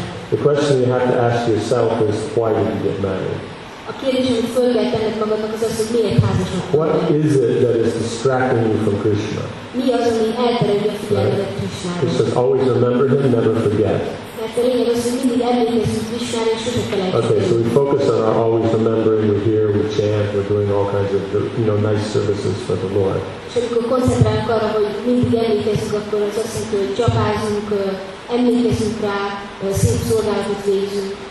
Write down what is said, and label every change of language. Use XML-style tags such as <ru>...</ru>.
<en>The question you have to ask yourself is, why did you get married?</en> <hu>A kérdés, amit föl kell tenned magadnak, az, hogy miért házasodtál.</hu> <en>What is it that is distracting you from Krishna?</en> <hu>Mi az, ami elterelje a figyelmedet Krishnára?</hu> <en>Krishna, always remember him, never forget.</en> <hu>Mert a lényeg az, hogy mindig emlékezzünk Krishnára, és sose felejtsünk.</hu> <en>Okay, so we focus on our always remembering, we're here, we chant, we're doing all kinds of, you know, nice services for the Lord.</en> <hu>És amikor koncentrálunk arra, hogy mindig emlékezzünk, akkor az azt mondja, hogy csapázunk, emlékezzünk rá, szép szolgálatot végzünk.</hu>